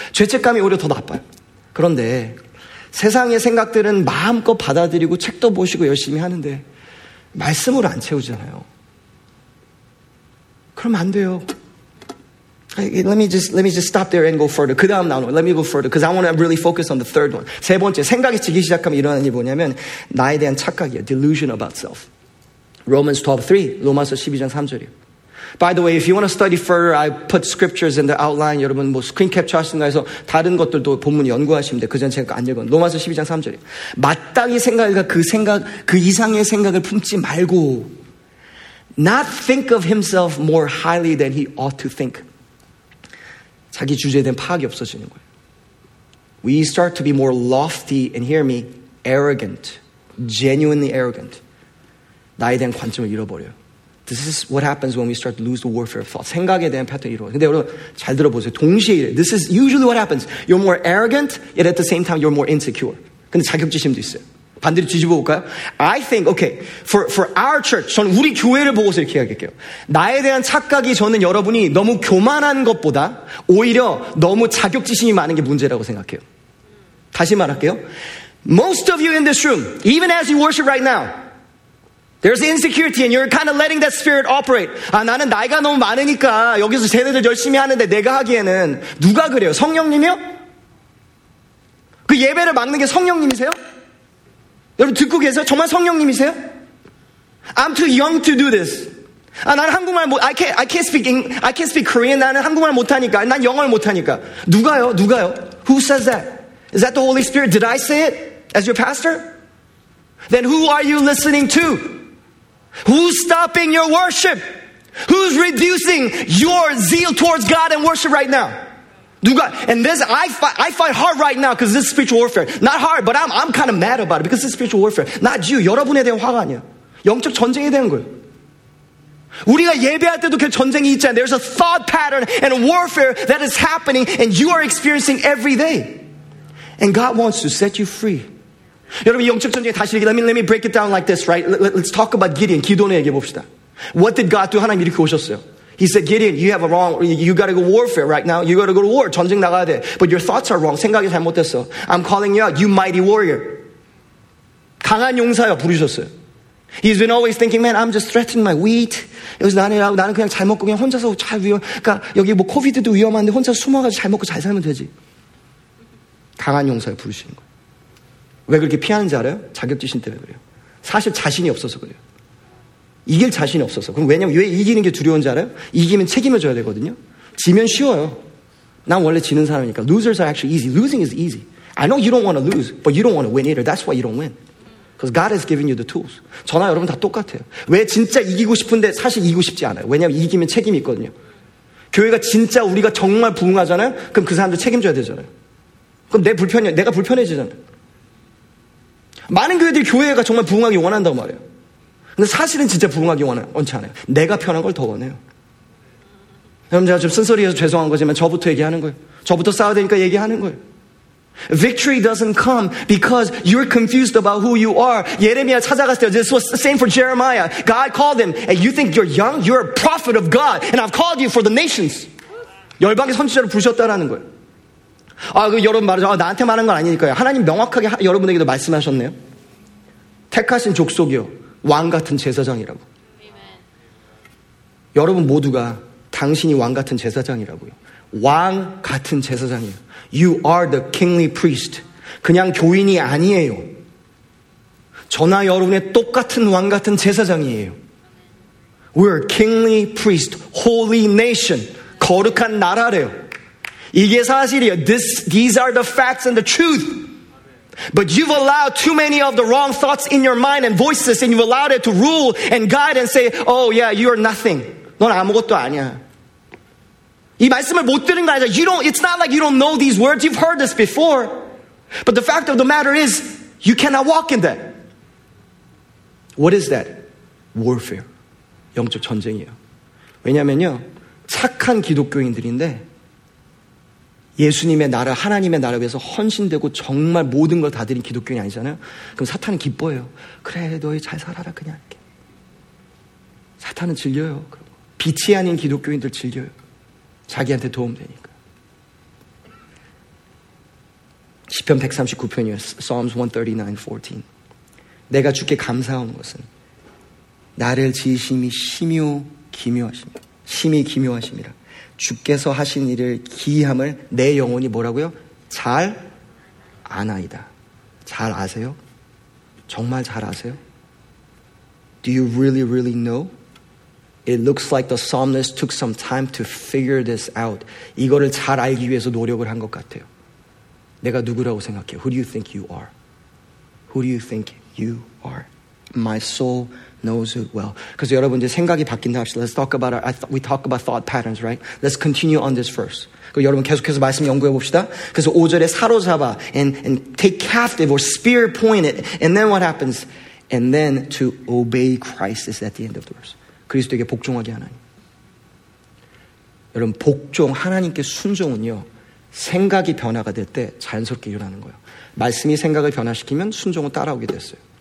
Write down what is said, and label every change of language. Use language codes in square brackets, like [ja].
[ko] 죄책감이 오히려 더 나빠요. 그런데 세상의 생각들은 마음껏 받아들이고 책도 보시고 열심히 하는데 말씀으로 안 채우잖아요. 그럼 안 돼요. [en] Let me just stop there and go further. [ko] 그 다음 나눠. [en] Let me go further. Because I want to really focus on the third one. [ko] 세 번째, 생각이 지기 시작하면 일어나는 게 뭐냐면 나에 대한 착각이에요. [en] Delusion about self. Romans 12:3, [ko] 로마서 12장 3절이에요. [en] By the way, if you want to study further, I put scriptures in the outline. [ko] 여러분, 스크린 캡처 하신다 해서 다른 것들도 본문 연구하시면 돼. 그 전에 제가 안 읽은. 로마서 12장 3절이. 마땅히 생각과 그 이상의 생각을 품지 말고, [en] not think of himself more highly than he ought to think. [ko] 자기 주제에 대한 파악이 없어지는 거예요. [en] We start to be more lofty, and hear me, arrogant. Genuinely arrogant. [ko] 나에 대한 관점을 잃어버려요. [en] This is what happens when we start to lose the warfare of thought. [ko] 생각에 대한 패턴이 이루어져. 근데 여러분, 잘 들어보세요. 동시에 이래. [en] This is usually what happens. You're more arrogant, yet at the same time, you're more insecure. [ko] 근데 자격지심도 있어요. 반대로 뒤집어 볼까요? [en] I think, okay, for our church, [ko] 저는 우리 교회를 보고서 이렇게 이야기할게요. 나에 대한 착각이 저는 여러분이 너무 교만한 것보다 오히려 너무 자격지심이 많은 게 문제라고 생각해요. 다시 말할게요. [en] Most of you in this room, even as you worship right now, there's insecurity and you're kind of letting that spirit operate. [ko] 아, 나는 나이가 너무 많으니까 여기서 세대들 열심히 하는데 내가 하기에는 누가 그래요? 성령님이요? 그 예배를 막는 게 성령님이세요? 여러분 듣고 계세요? 정말 성령님이세요? [en] I'm too young to do this. [ko] 아, 나는 한국말 못, [en] I can't speak Korean. [ko] 나는 한국말 못하니까. 난 영어를 못하니까. 누가요? 누가요? [en] Who says that? Is that the Holy Spirit? Did I say it as your pastor? Then who are you listening to? Who's stopping your worship? Who's reducing your zeal towards God and worship right now? And this, I fight hard right now because this is spiritual warfare. Not hard, but I'm kind of mad about it because this is spiritual warfare. Not you. [ko] 여러분에 대한 화가 아니야. 영적 전쟁에 대한 거예요. 우리가 예배할 때도 그 전쟁이 있잖아. [en] There's a thought pattern and a warfare that is happening and you are experiencing every day. And God wants to set you free. [ko] 여러분 영적 전쟁 다시 얘기. [en] Let me break it down like this, right? Let's talk about Gideon. [ko] 기도는 얘기해 봅시다. [en] What did God do? [ko] 하나님 이렇게 오셨어요. [en] He said, Gideon, you have a wrong. You got to go warfare right now. You got to go to war. [ko] 전쟁 나가야 돼. [en] But your thoughts are wrong. [ko] 생각이 잘못됐어. [en] I'm calling you out. You mighty warrior. [ko] 강한 용사여 부르셨어요. [en] He's been always thinking, man, I'm just threatening my wheat. [ko] 여기서 나는 그냥 잘 먹고 그냥 혼자서 잘 위험. 그러니까 여기 뭐 코비드도 위험한데 혼자 숨어가지고 잘 먹고 잘 살면 되지. 강한 용사여 부르시는 거예요. 왜 그렇게 피하는지 알아요? 자격지심 때문에 그래요. 사실 자신이 없어서 그래요. 이길 자신이 없어서. 그럼 왜냐면 왜 이기는 게 두려운지 알아요? 이기면 책임을 져야 되거든요. 지면 쉬워요. 난 원래 지는 사람이니까. [en] Losers are actually easy. Losing is easy. I know you don't want to lose, but you don't want to win either. That's why you don't win. Because God has given you the tools. [ko] 저나 여러분 다 똑같아요. 왜 진짜 이기고 싶은데 사실 이기고 싶지 않아요. 왜냐면 이기면 책임이 있거든요. 교회가 진짜 우리가 정말 부흥하잖아요. 그럼 그 사람들 책임져야 되잖아요. 그럼 내가 불편해지잖아요. 많은 교회들이 교회가 정말 부흥하기 원한다고 말해요. 근데 사실은 진짜 부흥하기 원치 않아요. 내가 편한 걸 더 원해요. 여러분 제가 좀 쓴소리해서 죄송한 거지만 저부터 얘기하는 거예요. 저부터 싸워야 되니까 얘기하는 거예요. [en] Victory doesn't come because you're confused about who you are. [ko] 예레미야 찾아갔을 때 [en] this was the same for Jeremiah. God called him and you think you're young? You're a prophet of God and I've called you for the nations. [ko] 열방의 선지자로 부르셨다라는 거예요. 아, 그 여러분 말하죠. 아, 나한테 말한 건 아니니까요. 하나님 명확하게 여러분에게도 말씀하셨네요. 택하신 족속이요. 왕 같은 제사장이라고. Amen. 여러분 모두가 당신이 왕 같은 제사장이라고요. 왕 같은 제사장이에요. [en] You are the kingly priest. [ko] 그냥 교인이 아니에요. 저나 여러분의 똑같은 왕 같은 제사장이에요. [en] We're kingly priest, holy nation. [ko] 거룩한 나라래요. 이게 사실이에요. [en] These are the facts and the truth. But you've allowed too many of the wrong thoughts in your mind and voices and you've allowed it to rule and guide and say, oh yeah, you're nothing. [ko] 넌 아무것도 아니야. 이 말씀을 못 들은 거 아니야. [en] You don't, it's not like you don't know these words. You've heard this before. But the fact of the matter is, you cannot walk in that. What is that? Warfare. [ko] 영적 전쟁이에요. 왜냐면요, 착한 기독교인들인데 예수님의 나라, 하나님의 나라 위해서 헌신되고 정말 모든 걸 다 드린 기독교인이 아니잖아요. 그럼 사탄은 기뻐해요. 그래, 너희 잘 살아라 그냥 이렇게. 사탄은 질려요. 그리고 빛이 아닌 기독교인들 질려요. 자기한테 도움되니까. 시편 139편이에요. Psalms 139:14. 내가 주께 감사하는 것은 나를 지으심이 심히 기묘하심이라. 주께서 하신 일을 기이함을 내 영혼이 뭐라고요? 잘 아나이다. 잘 아세요? 정말 잘 아세요? [en] Do you really, really know? It looks like the psalmist took some time to figure this out. [ko] 이거를 잘 알기 위해서 노력을 한 것 같아요. 내가 누구라고 생각해요? [en] Who do you think you are? Who do you think you are? My soul knows it well. [ko] 그래서 여러분 이제 생각이 바뀐다 합시다. [en] Let's talk about we talk about thought patterns, right? Let's continue on this verse. [ko] 그 여러분 계속해서 말씀 연구해 봅시다. 그래서 5절에 사로잡아 [en] and take captive or spear pointed. And then what happens? And then to obey Christ is at the end of the verse. [ko] 그리스도에게 복종하게 하나님. 여러분 복종, 하나님께 순종은요. 생각이 변화가 될 때 자연스럽게 일어나는 거예요. 말씀이 생각을 변화시키면 순종은 따라오게 됐어요.